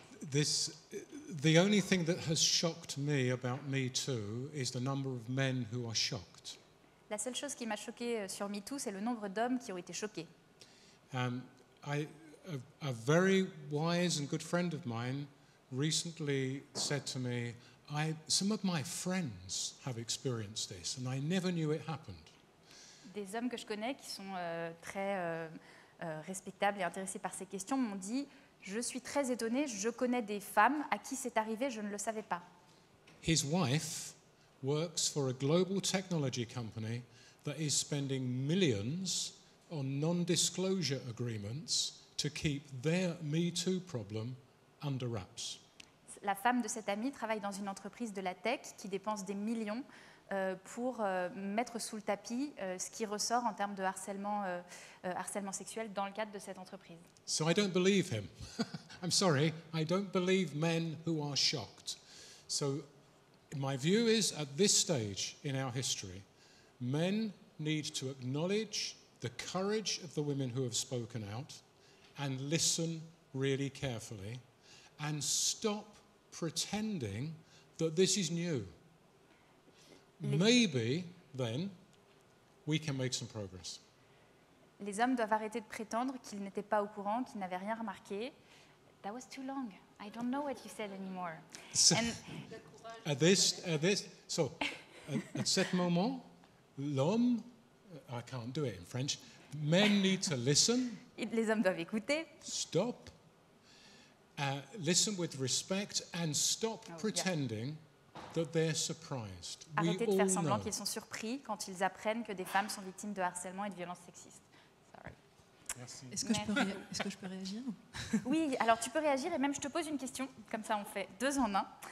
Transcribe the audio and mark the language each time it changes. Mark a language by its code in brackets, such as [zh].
[en] The only thing that has shocked me about Me Too is the number of men who are shocked. [fr] La seule chose qui m'a choquée sur Me Too, c'est le nombre d'hommes qui ont été choqués. [en] I a very wise and good friend of mine recently said to me, some of my friends have experienced this and I never knew it happened. [fr] Des hommes que je connais qui sont très respectables et intéressés par ces questions m'ont dit, je suis très étonnée, je connais des femmes à qui c'est arrivé, je ne le savais pas. [en] His wife works for a global technology company that is spending millions on non-disclosure agreements to keep their Me Too problem under wraps. [fr] La femme de cet ami travaille dans une entreprise de la tech qui dépense des millions pour mettre sous le tapis ce qui ressort en termes de harcèlement, harcèlement sexuel dans le cadre de cette entreprise. [en] So I don't believe him. I'm sorry, I don't believe men who are shocked. So my view is, at this stage in our history, men need to acknowledge the courage of the women who have spoken out and listen really carefully and stop pretending that this is new. Maybe then we can make some progress. [fr] Les hommes doivent arrêter de prétendre qu'ils n'étaient pas au courant, qu'ils n'avaient rien remarqué. [en] That was too long. I don't know what you said anymore. So, and at [fr] cet moment, l'homme, [en] I can't do it in French, men need to listen. [fr] Les hommes doivent écouter. [en] Stop. Listen with respect and stop pretending that they're surprised. [fr] Arrêtez de faire semblant qu'ils sont surpris quand ils apprennent que des femmes sont victimes de harcèlement et de violences sexistes. Merci. Est-ce que je peux réagir? Oui, alors tu peux réagir et même je te pose une question, comme ça on fait deux en un.